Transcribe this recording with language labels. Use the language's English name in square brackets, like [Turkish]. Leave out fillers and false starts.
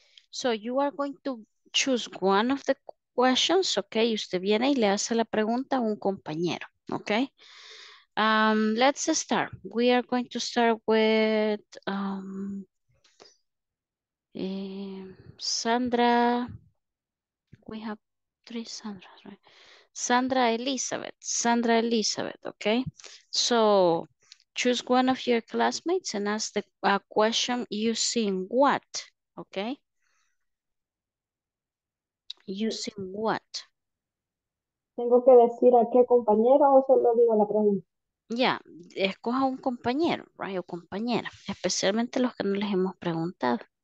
[English] So you are going to choose one of the questions, okay? [Spanish] Usted viene y le hace la pregunta a un compañero, okay? [English] Let's start. We are going to start with Sandra. We have three Sandras, right? Sandra Elizabeth. Sandra Elizabeth, okay? So choose one of your classmates and ask the question using what, okay? Using what? [Spanish] ¿Tengo que decir a qué compañero o solo digo la pregunta? Ya, yeah, escoja un compañero, right, o compañera, especialmente los que no les hemos preguntado.